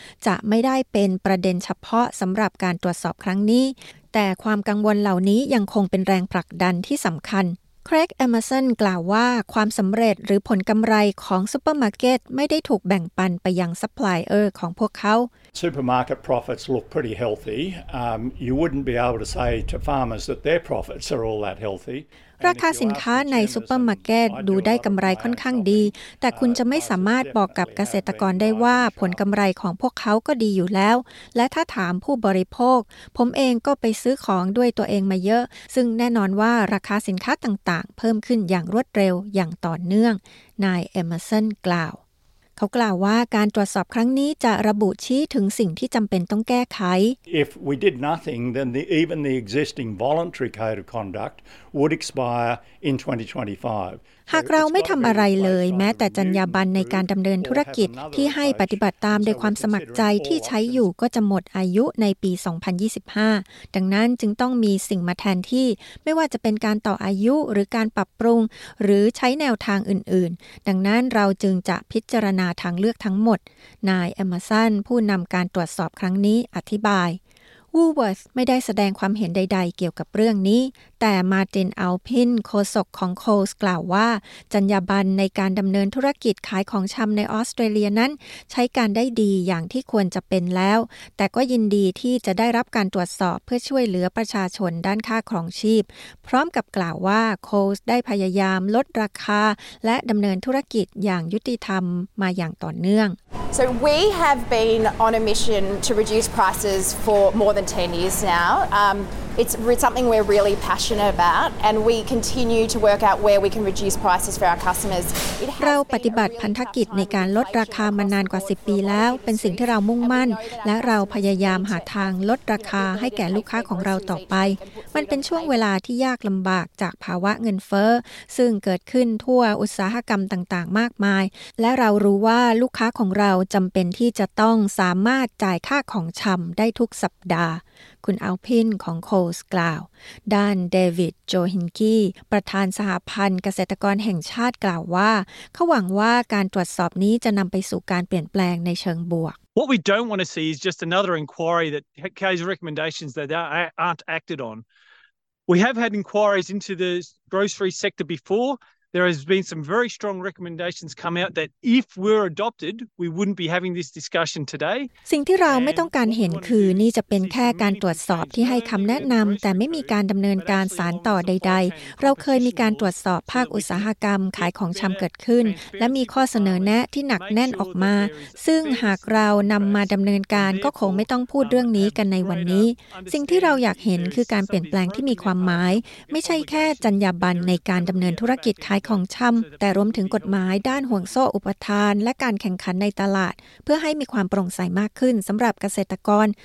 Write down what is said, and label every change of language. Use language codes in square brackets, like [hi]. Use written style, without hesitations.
[th] จะไม่ได้เป็นประเด็นเฉพาะสำหรับการตรวจสอบครั้งนี้แต่ความกังวลเหล่านี้ยังคงเป็นแรงผลักดันที่สำคัญCraig Emerson กล่าวว่าความสำเร็จหรือผลกำไรของซูเปอร์มาร์เก็ตไม่ได้ถูกแบ่งปันไปยังซัพพลายเออร์ของพวกเขา [en] Supermarket profits look pretty healthy. You wouldn't be able to say to farmers that their profits are all that healthy. [th] ราคาสินค้าในซูเปอร์มาร์เก็ตดูได้กำไรค่อนข้างดีแต่คุณจะไม่สามารถบอกกับเกษตรกรได้ว่าผลกำไรของพวกเขาก็ดีอยู่แล้วและถ้าถามผู้บริโภคผมเองก็ไปซื้อของด้วยตัวเองมาเยอะซึ่งแน่นอนว่าราคาสินค้าต่างๆเพิ่มขึ้นอย่างรวดเร็วอย่างต่อเนื่องนายเอมเมอร์สันกล่าวเขากล่าวว่าการตรวจสอบครั้งนี้จะระบุชี้ถึงสิ่งที่จำเป็นต้องแก้ไข [en] If we did nothing then even the existing voluntary code of conduct would expire in 2025 [th] หากเราไม่ทำอะไรเลยแม้แต่จรรยาบรรณในการดำเนินธุรกิจที่ให้ปฏิบัติตามโดยความสมัครใจที่ใช้อยู่ก็จะหมดอายุในปี2025ดังนั้นจึงต้องมีสิ่งมาแทนที่ไม่ว่าจะเป็นการต่ออายุหรือการปรับปรุงหรือใช้แนวทางอื่นๆดังนั้นเราจึงจะพิจารณาทางเลือกทั้งหมดนายเอมเมอร์สันผู้นำการตรวจสอบครั้งนี้อธิบาย Woolworth ไม่ได้แสดงความเห็นใดๆเกี่ยวกับเรื่องนี้แต่ Martin Alpin โฆษกของ Coles กล่าวว่าจรรยาบรรณในการดำเนินธุรกิจขายของชำในออสเตรเลียนั้นใช้การได้ดีอย่างที่ควรจะเป็นแล้วแต่ก็ยินดีที่จะได้รับการตรวจสอบเพื่อช่วยเหลือประชาชนด้านค่าครองชีพพร้อมกับกล่าวว่า Coles ได้พยายามลดราคาและดำเนินธุรกิจอย่างยุติธรรมมาอย่างต่อเนื่อง [en] So we have been on a mission to reduce prices for more than 10 years now. It's something we're really passionate about and we continue to work out where we can reduce prices for our customers. [th] เราปฏิบัติพันธกิจในการลดราคามานานกว่า10ปีแล้วเป็นสิ่งที่เรามุ่งมั่นและเราพยายามหาทางลดราคาให้แก่ลูกค้าของเราต่อไป มันเป็นช่วงเวลาที่ยากลำบากจากภาวะเงินเฟ้อซึ่งเกิดขึ้นทั่วอุตสาหกรรมต่างๆมากมายและเรารู้ว่าลูกค้าของเราจำเป็นที่จะต้องสามารถจ่ายค่าของชำได้ทุกสัปดาห์คุณอัลพินของโคลส์กล่าวด้านเดวิดโจฮินกี้ประธานสหพันธ์เกษตรกรแห่งชาติกล่าวว่าเขาหวังว่าการตรวจสอบนี้จะนำไปสู่การเปลี่ยนแปลงในเชิงบวก [en] What we don't want to see is just another inquiry that carries recommendations that aren't acted on. We have had inquiries into the grocery sector before. There has been some very strong recommendations come out that if we're adopted, we wouldn't be having this discussion today. [th] สิ่งที่เราไม่ต้องการเห็นคือนี่จะเป็นแค่การตรวจสอบที่ให้คำแนะนำแต่ไม่มีการดำเนินการสานต่อใดๆเราเคยมีการตรวจสอบภาคอุตสาหกรรมขายของชำเกิดขึ้นและมีข้อเสนอแนะที่หนักแน่นออกมา ซึ่งหากเรานำมาดำเนินการก็คงไม่ต้องพูดเรื่องนี้กันในวันนี้สิ่งที่เราอยากเห็นคือการเปลี่ยนแปลงที่มีความหมายไม่ใช่แค่จรรยาบรรณในการดำเนินธุรกิจขายของชำแต่รวมถึงกฎหมายด้านห่วงโซ่อุปทานและการแข่งขันในตลาดเพื่อให้มีความโปร่งใสมากขึ้นสำหรับเกษตรกร